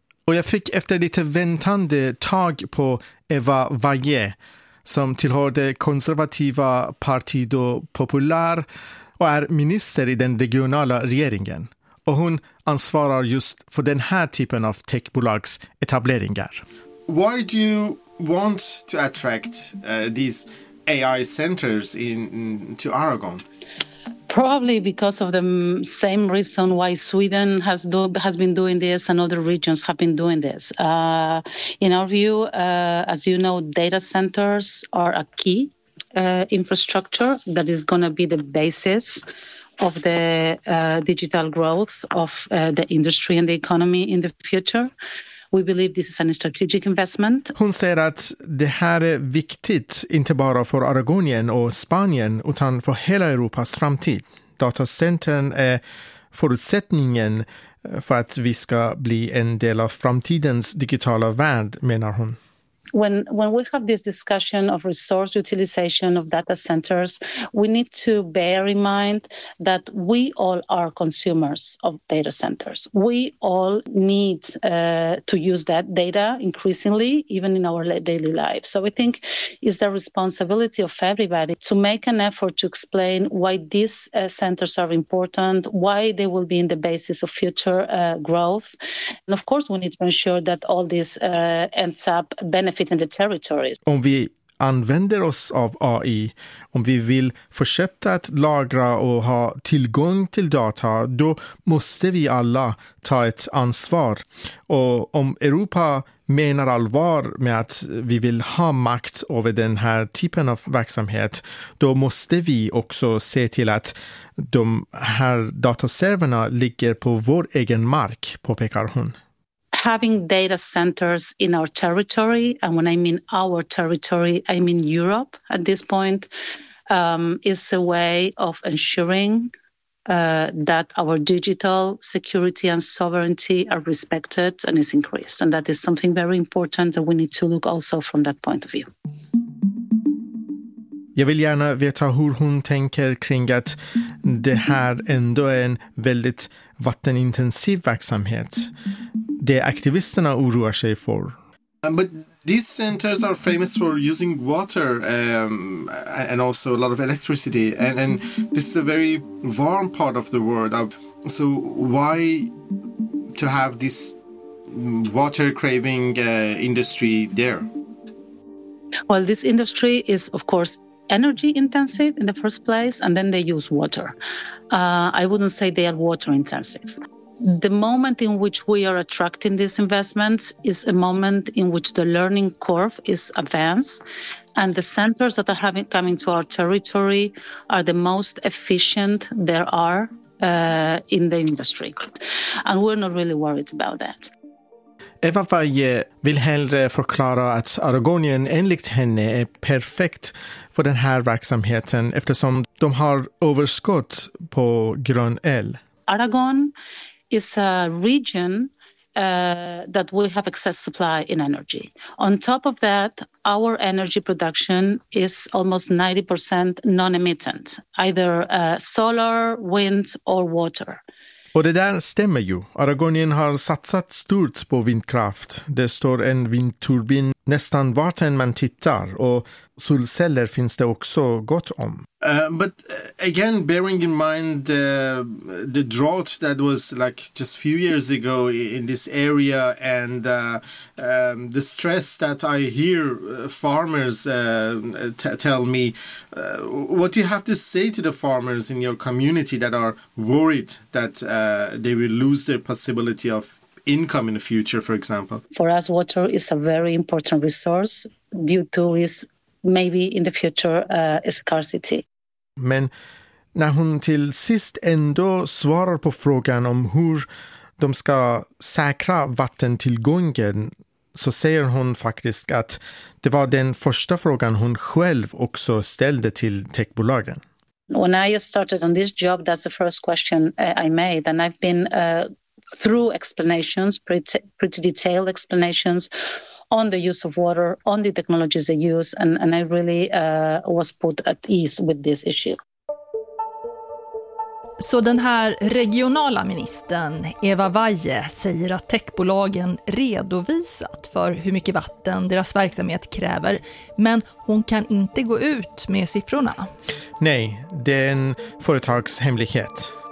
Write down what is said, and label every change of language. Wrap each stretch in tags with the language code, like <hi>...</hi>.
<sv>Och jag fick efter lite väntande tag på Eva Valle som tillhör det konservativa Partido Popular och är minister i den regionala regeringen. Och hon ansvarar just för den här typen av techbolags etableringar.</sv> <en>Why do you want to attract these AI centers to Aragon? Probably because of the same reason why Sweden has been doing this and other regions have been doing this. In our view, as you know, data centers are a key infrastructure that is going to be the basis of the digital growth of the industry and the economy in the future. We believe this is a strategic investment.</en> <sv>Hon säger att det här är viktigt inte bara för Aragonien och Spanien utan för hela Europas framtid. Datacentern är förutsättningen för att vi ska bli en del av framtidens digitala värld, menar hon.</sv> <en>When we have this discussion of resource utilization of data centers, we need to bear in mind that we all are consumers of data centers. We all need to use that data increasingly, even in our daily life. So we think it's the responsibility of everybody to make an effort to explain why these centers are important, why they will be in the basis of future growth. And of course, we need to ensure that all this ends up benefiting.</en> <sv>Om vi använder oss av AI, om vi vill fortsätta att lagra och ha tillgång till data, då måste vi alla ta ett ansvar. Och om Europa menar allvar med att vi vill ha makt över den här typen av verksamhet, då måste vi också se till att de här dataserverna ligger på vår egen mark, påpekar hon.</sv> <en>Having data centers in our territory, and when I mean our territory, I mean Europe at this point, is a way of ensuring that our digital security and sovereignty are respected and is increased. And that is something very important that we need to look also from that point of view.</en> <sv>Jag vill gärna veta hur hon tänker kring att det här ändå är en väldigt vattenintensiv verksamhet. Det aktivisterna oroar sig för.</sv> <en>But these centers are famous for using water and also a lot of electricity. And this is a very warm part of the world. So why to have this water-craving industry there? Well, this industry is, of course, energy intensive in the first place, and then they use water. I wouldn't say they are water intensive. The moment in which we are attracting these investments is a moment in which the learning curve is advanced, and the centers that are coming to our territory are the most efficient there are in the industry. And we're not really worried about that.</en> <sv>Eva Valle vill hellre förklara att Aragonien enligt henne är perfekt för den här verksamheten eftersom de har överskott på grön el.</sv> <en>Aragon is a region that we have excess supply in energy. On top of that, our energy production is almost 90% non-emittent, either solar, wind or water.</en> <sv>Och det där stämmer ju. Aragonien har satsat stort på vindkraft. Det står en vindturbin nästan vart än man tittar. Och solceller finns det också gott om.</sv> <en>But again, bearing in mind the drought that was like just a few years ago in this area and the stress that I hear farmers tell me, what do you have to say to the farmers in your community that are worried that they will lose their possibility of income in the future, for example? For us, water is a very important resource due to its maybe in the future scarcity.</en> <sv>Men när hon till sist ändå svarar på frågan om hur de ska säkra vattentillgången så säger hon faktiskt att det var den första frågan hon själv också ställde till techbolagen.</sv> <en>When I started on this job, that's the first question I made, and I've been through explanations, pretty detailed explanations on the use of water, on the technologies they use, and I really was put at ease with this issue.</en> <sv>Så den här regionala ministern Eva Waje säger att techbolagen redovisat för hur mycket vatten deras verksamhet kräver, men hon kan inte gå ut med siffrorna. Nej, det är en företagshemlighet.</sv>